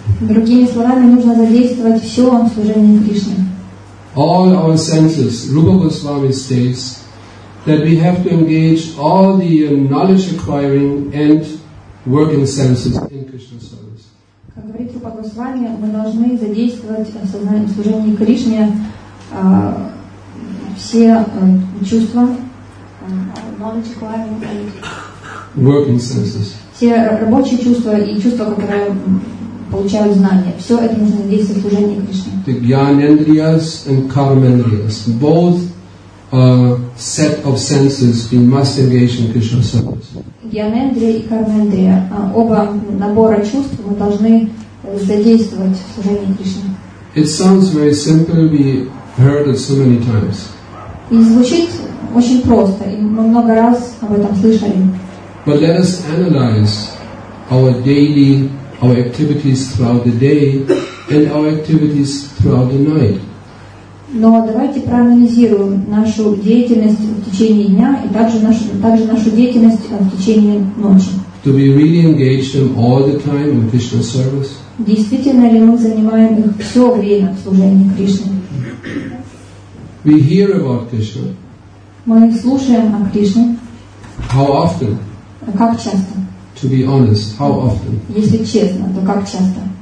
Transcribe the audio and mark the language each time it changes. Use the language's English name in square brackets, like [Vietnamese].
[Russian] Другими словами, нужно задействовать все в служении Кришне. [English] All our senses. Rupa Goswami states that we have to engage all the knowledge acquiring and working senses in Krishna service. [Russian] Как говорит Рупа Госвами, мы должны задействовать в служении Кришне все чувства, [English] knowledge acquiring and working senses. [Russian] Все рабочие чувства и чувства, которые получают знания. Все это нужно задействовать в служении Кришне. [English] The Gyanendriyas and Karmendriyas, both a set of senses we must engage in Krishna service. [Russian] Гьянендрия и Кармендрия. Оба набора чувств мы должны задействовать в служении Кришне. [English] It sounds very simple, we heard it so many times. [Russian] И звучит очень просто, и мы много раз об этом слышали. [English] But let us analyze our activities throughout the day and our activities throughout the night. [Russian] Но давайте проанализируем нашу деятельность в течение дня и также нашу деятельность в течение ночи. [English] Do we really engage them all the time in Krishna service? [Russian] Действительно ли мы занимаем их все время в служении Кришне? [English] We hear about Krishna. [Russian] Мы слушаем о Кришне. [English] How often? [Russian] Как часто? [English] To be honest, how often? [Russian] Если честно, то как часто?